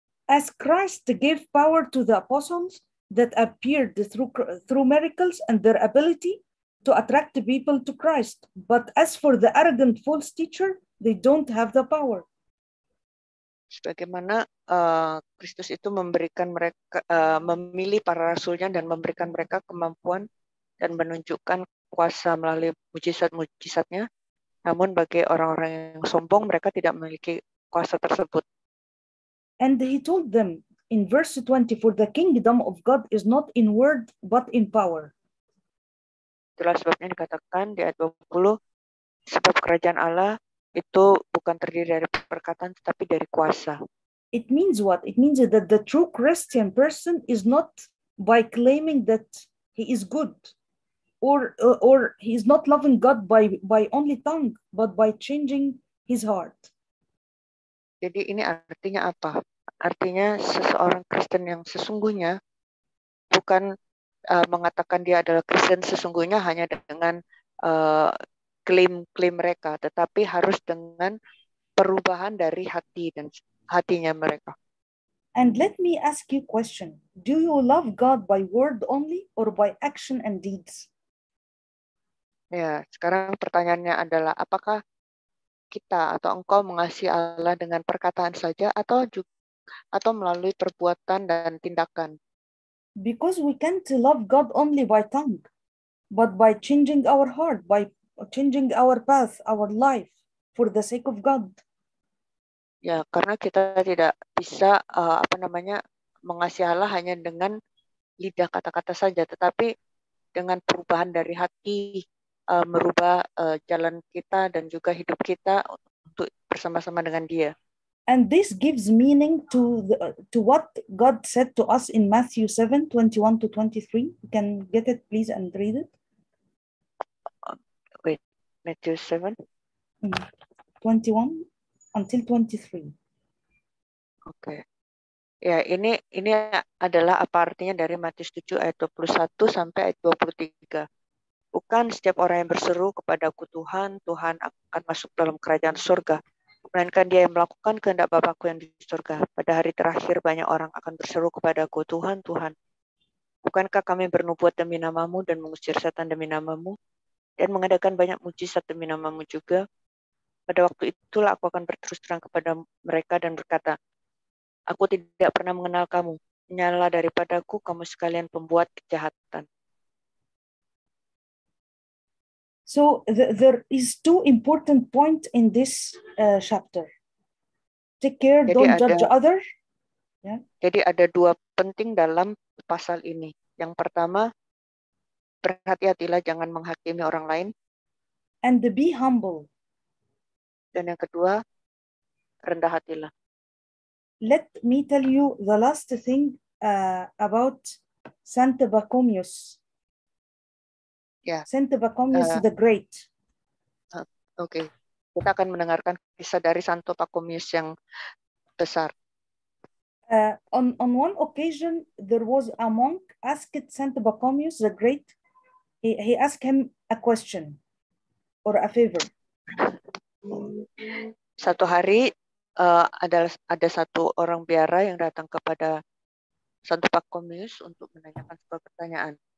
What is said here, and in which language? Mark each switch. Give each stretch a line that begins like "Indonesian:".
English: As Christ gave power to the apostles that appeared through miracles and their ability to attract the people to Christ, but as for the arrogant false teacher, they don't have the power.
Indonesian: Sebagaimana Kristus itu memberikan mereka memilih para rasulnya dan memberikan mereka kemampuan dan menunjukkan kuasa melalui mujizat-mujizatnya, namun bagi orang-orang yang sombong mereka tidak memiliki kuasa tersebut.
English: And he told them in verse 24, the kingdom of God is not in word but in power.
Indonesian: Itulah sebabnya dikatakan di ayat 20, sebab kerajaan Allah itu bukan terdiri dari perkataan tetapi dari kuasa.
English: It means what? It means that the true Christian person is not by claiming that he is good or he is not loving God by only tongue but by changing his heart.
Indonesian: Jadi ini artinya apa? Artinya seseorang Kristen yang sesungguhnya bukan mengatakan dia adalah Kristen sesungguhnya hanya dengan klaim-klaim mereka, tetapi harus dengan perubahan dari hati dan hatinya mereka.
English: And let me ask you a question. Do you love God by word only or by action and deeds?
Indonesian: Ya, sekarang pertanyaannya adalah apakah kita atau engkau mengasihi Allah dengan perkataan saja atau melalui perbuatan dan tindakan?
English: Because we can't love God only by tongue, but by changing our heart, by changing our path, our life for the sake of God.
Indonesian: Ya, karena kita tidak bisa mengasihi Allah hanya dengan lidah kata-kata saja, tetapi dengan perubahan dari hati, merubah jalan kita dan juga hidup kita untuk bersama-sama dengan Dia.
English: And this gives meaning to what God said to us in Matthew 7:21-23. You can get it please and read it. Wait, Matthew 7:21-23. Oke. Okay.
Indonesian: Ya, ini adalah apa artinya dari Matius 7:21-23. Bukan setiap orang yang berseru kepadaku Tuhan, Tuhan akan masuk dalam kerajaan surga, melainkan dia yang melakukan kehendak Bapa-Ku yang di surga. Pada hari terakhir banyak orang akan berseru kepadaku Tuhan, Tuhan, bukankah kami bernubuat demi namamu dan mengusir setan demi namamu dan mengadakan banyak mujizat demi namamu juga? Pada waktu itulah aku akan berterus terang kepada mereka dan berkata, aku tidak pernah mengenal kamu, nyala daripadaku kamu sekalian pembuat kejahatan.
English: So there is two important points in this chapter. Take care,
Indonesian: jadi
English: don't judge other. Yeah.
Indonesian: Jadi ada dua penting dalam pasal ini. Yang pertama, berhati-hatilah jangan menghakimi orang lain.
English: And the be humble.
Indonesian: Dan yang kedua, rendah hatilah.
English: Let me tell you the last thing about Saint Pachomius. Yeah. Saint Pachomius the Great. Oke, okay.
Indonesian: Kita akan mendengarkan kisah dari Santo Pachomius yang besar.
English: On one occasion, there was a monk asked Saint Pachomius the Great. He asked him a question or a favor.
Indonesian: Satu hari ada satu orang biara yang datang kepada Santo Pachomius untuk menanyakan sebuah pertanyaan.